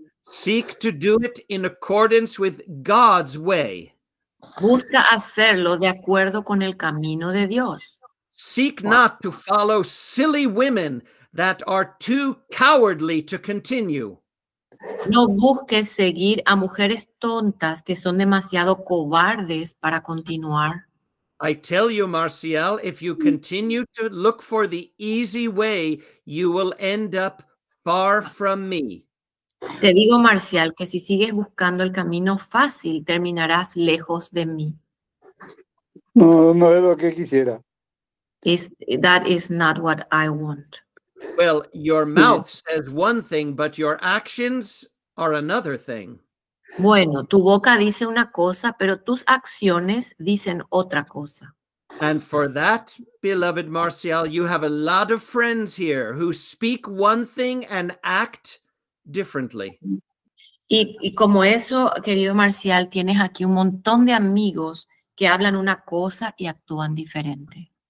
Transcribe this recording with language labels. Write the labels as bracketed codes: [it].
[en] Seek to do it in accordance with God's way. [es] Busca hacerlo de acuerdo con el camino de Dios. [en] Seek not to follow silly women that are too cowardly to continue. [es] No busques seguir a mujeres tontas que son demasiado cobardes para continuar. [en] I tell you, Marcial, if you continue to look for the easy way, you will end up far from me. [es] Te digo, Marcial, que si sigues buscando el camino fácil, terminarás lejos de mí. No, no es lo que quisiera. [en] That is not what I want. Well, your mouth says one thing, but your actions are another thing. [es] Bueno, tu boca dice una cosa, pero tus acciones dicen otra cosa. [en] And for that, beloved Marcial, you have a lot of friends here who speak one thing and act differently. [es] Y como eso, querido Marcial, tienes aquí un montón de amigos que hablan una cosa y actúan diferente.